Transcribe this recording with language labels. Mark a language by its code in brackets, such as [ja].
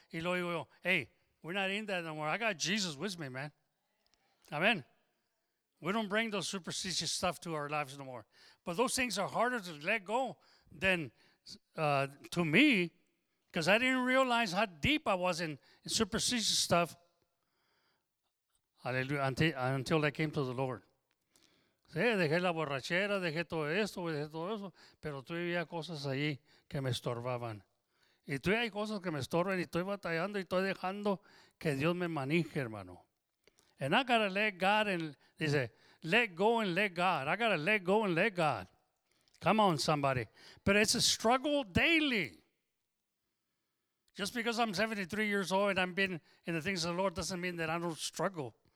[es] Y luego, [en] hey, we're not in that no more. I got Jesus with me, man. Amen. We don't bring those superstitious stuff to our lives no more. But those things are harder to let go than to me, because I didn't realize how deep I was in superstitious stuff. Hallelujah. Until I came to the Lord. [es] Sí, dejé la borrachera, dejé todo eso, pero tú había cosas allí que me estorbaban. Y tú hay cosas que me estorban y estoy batallando y estoy dejando que Dios me maneje, hermano. [en] And I gotta let God and, dice, let go and let God. I gotta let go and let God. Come on, somebody. But it's a struggle daily. Just because I'm 73 years old and I've been in the things of the Lord doesn't mean that I don't struggle.